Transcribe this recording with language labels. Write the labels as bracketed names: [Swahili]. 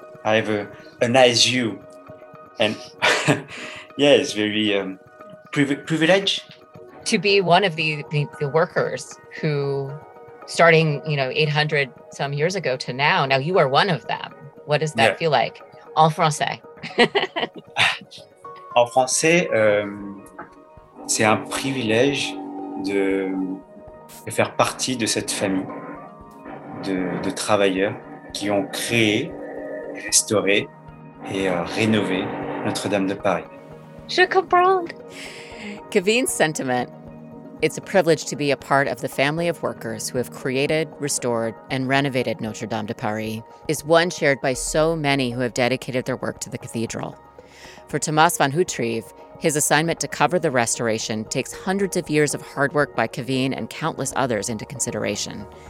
[English] I have a nice view. And yeah, it's very privileged. To be one of the workers who, starting, 800 some years ago to now you are one of them. What does that feel like? En français. [French] En français, c'est un privilège de faire partie de cette famille de travailleurs qui ont créé, restauré et rénové Notre-Dame de Paris. Je comprends. [English] Kevin's sentiment. It's a privilege to be a part of the family of workers who have created, restored, and renovated Notre-Dame de Paris is one shared by so many who have dedicated their work to the cathedral. For Tomas van Houtrieve, his assignment to cover the restoration takes hundreds of years of hard work by Kevin and countless others into consideration.